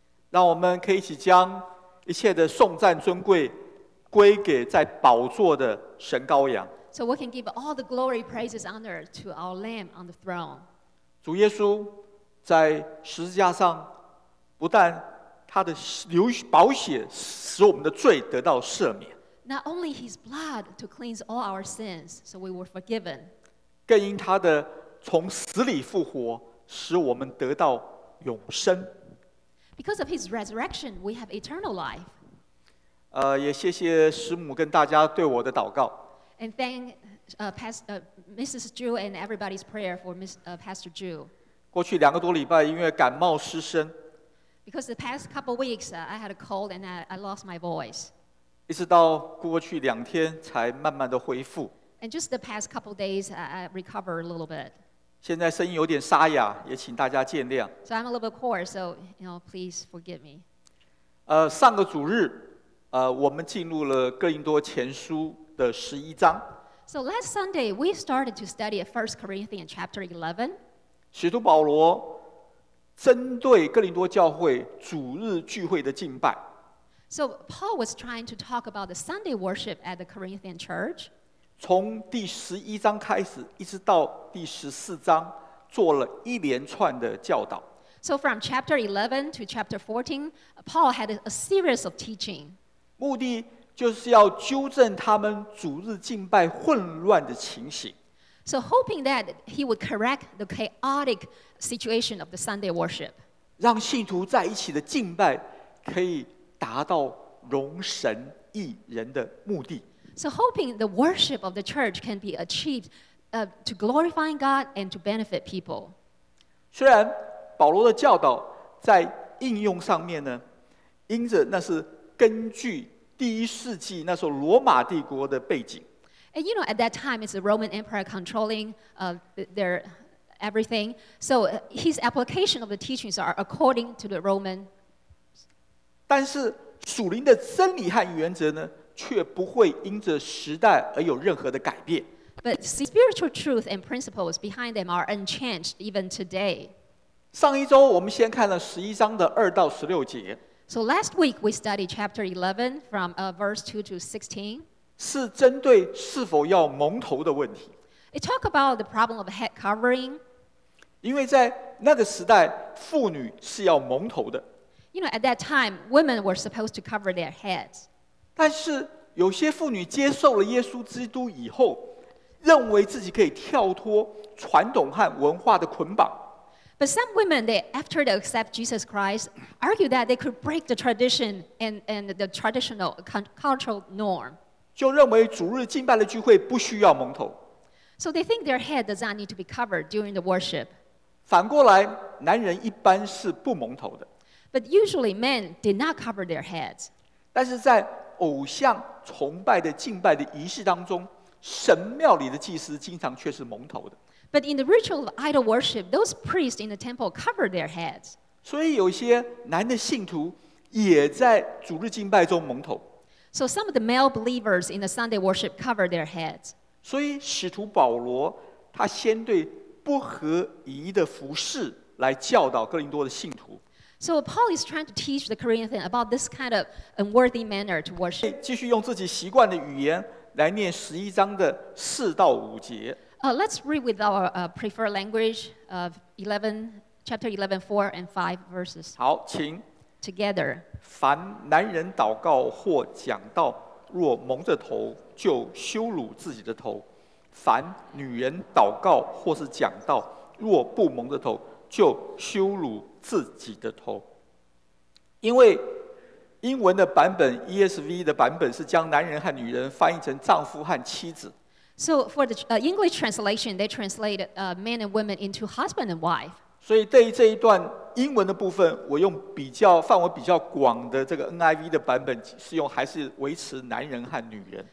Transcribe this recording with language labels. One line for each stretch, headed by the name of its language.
Chinese: 让我们可以一起将一切的颂赞尊贵归给在宝座的神羔羊。
English: So we can give all the glory, praises, honor to our Lamb on the throne.
Chinese: 主耶稣在十字架上，不但他的流宝血使我们的罪得到赦免。
English: Not only his blood to cleanse all our sins, so we were forgiven.
Chinese: 更因他的从死里复活，使我们得到永生。
English: Because of his resurrection, we have eternal life.
Chinese: 也谢谢师母跟大家对我的祷告。
English: And thank Mrs. Zhu and everybody's prayer for Pastor Zhu.
Chinese: 过去两个多礼拜，因为感冒失声。
English: Because the past couple weeks, I had a cold and I lost my voice.
Chinese: 一直到过去两天才慢慢的恢复。
English: And just the past couple days, I recover a little bit.
Chinese: 现在声音有点沙哑，也请大家见谅。
English: So I'm a little bit hoarse, so please forgive me.
Chinese: 上个主日，我们进入了哥林多前书的十一章。
English: So last Sunday, we started to study 1 Corinthians chapter 11.
Chinese: 使徒保罗针对哥林多教会主日聚会的敬拜。
English: So Paul was trying to talk about the Sunday worship at the Corinthian church.
Chinese: 从第十一章开始，一直到第十四章，做了一连串的教导。
English: So from chapter 11 to chapter 14, Paul had a series of teaching.
Chinese: 目的就是要纠正他们主日敬拜混乱的情形。
English: So hoping that he would correct the chaotic situation of the Sunday worship.
Chinese: 让信徒在一起的敬拜可以达到容神一人的目的。
English: So hoping the worship of the church can be achieved to glorify God and to benefit people.
Chinese: 虽然保罗的教导在应用上面呢，因着那是根据第一世纪那时候罗马帝国的背景。
English: And you know, at that time, it's the Roman Empire controlling their everything. So his application of the teachings are according to the Roman.
Chinese: 但是属灵的真理和原则呢，却不会因着时代而有任何的改变。
English: But spiritual truth and principles behind them are unchanged even today.
Chinese: 上一周我们先看了十一章的二到十六节。
English: So last week we studied chapter 11 from verse 2 to 16.
Chinese: 是针对是否要蒙头的问题。
English: It talk about the problem of head covering.
Chinese: 因为在那个时代，妇女是要蒙头的。
English: You know, at that time, women were supposed to cover their heads.
Chinese: 但是有些妇女接受了耶稣基督以后，认为自己可以跳脱传统和文化的捆绑。
English: But some women, after they accept Jesus Christ, argue that they could break the tradition and the traditional cultural norm.
Chinese: 就认为主日敬拜的聚会不需要蒙头。
English: So they think their head does not need to be covered during the worship.
Chinese: 反过来，男人一般是不蒙头的。
English: But usually men did not cover their heads.
Chinese: 但是在偶像崇拜的敬拜的仪式当中，神庙里的祭司经常却是蒙头的。
English: But in the ritual of idol worship, those priests in the temple covered their heads.
Chinese: 所以有些男的信徒也在主日敬拜中蒙头。
English: So some of the male believers in the Sunday worship cover their heads.
Chinese: 所以使徒保罗他先对不合宜的服饰来教导哥林多的信徒。
English: So Paul is trying to teach the Corinthians about this kind of unworthy manner to worship.
Chinese: 继续用自己习惯的语言来念十一章的四到五节。
English: Let's read with our preferred language of chapter 11, 4 and 5 verses.
Chinese: 好，请。
English: Together.
Chinese: 凡男人祷告或讲道，若蒙着头，就羞辱自己的头；凡女人祷告或是讲道，若不蒙着头，就羞辱自己的头。因为英文的版本 ESV 的版本是将男人和女人翻译成丈夫和妻子。
English: So for the English translation, they translate men and women into husband and wife.
Chinese: 所以对于这一段英文的部分，我用比较范围比较广的这个 NIV 的版本，是用还是维持男人和女人